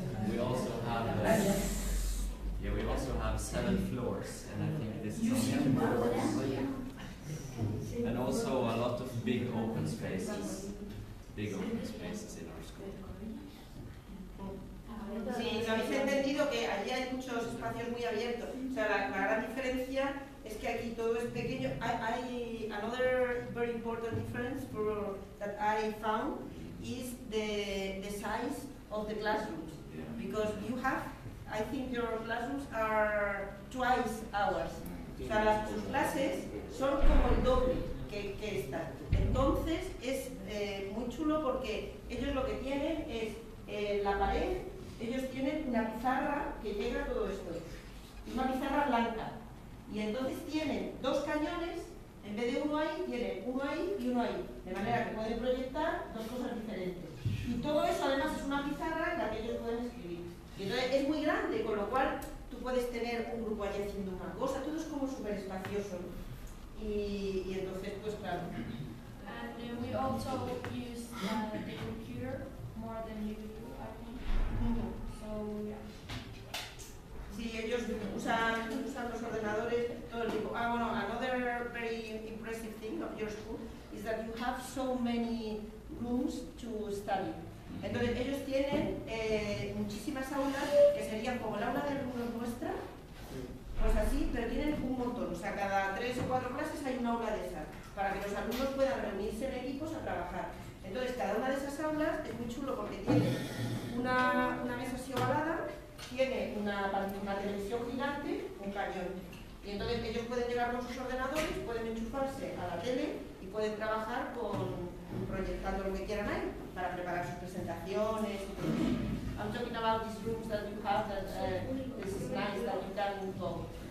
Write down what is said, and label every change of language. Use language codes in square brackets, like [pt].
[en] We also have we also have 7 floors, and I think this is the only. And also a lot of big open spaces. Big open spaces in our school. [es] Sí, lo habéis entendido que allí hay muchos espacios muy abiertos. O sea, la gran diferencia es que aquí todo es pequeño. [en] Hay another very important difference that I found is the size of the classrooms. Yeah. Because you have, I think your classrooms are twice ours. [es] O sea, sus clases son como el doble que están. Entonces, es muy chulo porque ellos lo que tienen es la pared, ellos tienen una pizarra que llega a todo esto. Es una pizarra blanca. Y entonces tienen 2 cañones, en vez de uno ahí, tienen uno ahí y uno ahí. De manera que pueden proyectar 2 cosas diferentes. Y todo eso, además, es una pizarra en la que ellos pueden escribir. Y entonces, es muy grande, con lo cual, tú puedes tener un grupo allí haciendo una cosa, todo es como súper espacioso. Y entonces, pues claro. [en] And we also use the computer more than you do, I think. So, yeah. [es] Sí, ellos usan los ordenadores todo el tiempo. Ah, bueno, [en] another very impressive thing of your school is that you have so many rooms to study. [es] Entonces, ellos tienen muchísimas aulas que serían como la aula de alumnos nuestra, pues así, pero tienen un montón. O sea, cada 3 o 4 clases hay una aula de esas, para que los alumnos puedan reunirse en equipos a trabajar. Entonces, cada una de esas aulas es muy chulo porque tiene una mesa así ovalada, tiene una televisión gigante, un cañón. Y entonces, ellos pueden llegar con sus ordenadores, pueden enchufarse a la tele y pueden trabajar con. Proyectando lo que quieran ahí para preparar sus presentaciones. [en] I'm talking about these rooms that you have that this is nice that you can move on.